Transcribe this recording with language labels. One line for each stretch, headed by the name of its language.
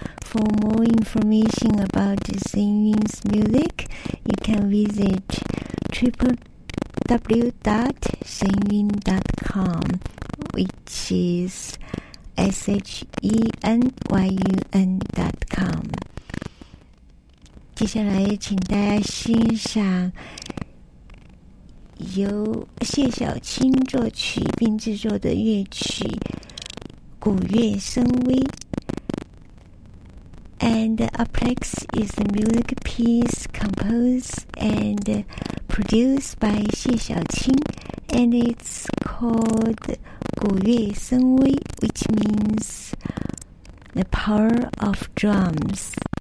English: For more information about Xingyun's music, you can visit www.xingyun.com, which is Xenyun.com.
Chinese: 接下来请大家欣赏由谢小青作曲并制作的乐曲《古月声微》。
English: And Aplex is the music piece composed and produced by 谢小青, and it's called 古月声微, which means the power of drums.